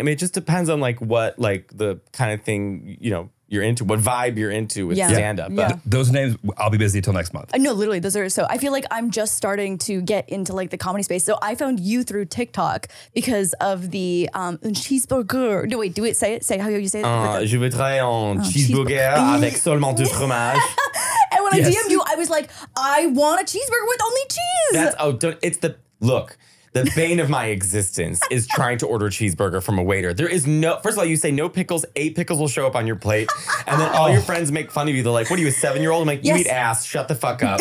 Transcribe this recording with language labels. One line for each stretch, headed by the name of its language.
English: I mean, it just depends on like what, like the kind of thing, you know, you're into, what vibe you're into with stand-up. But those names, I'll be busy until next month. No, literally, those are, so I feel like I'm just starting to get into like the comedy space. So I found you through TikTok because of the cheeseburger. No, wait, say how you say it.
French: Je voudrais un cheeseburger avec seulement du fromage.
English: And when I DM'd you, I was like, I want a cheeseburger with only cheese. The bane of my existence is trying to order a cheeseburger from a waiter. There is no, first of all, you say no pickles, 8 pickles will show up on your plate. And then all your friends make fun of you. They're like, what are you, a 7-year-old? I'm like, you eat ass, shut the fuck up.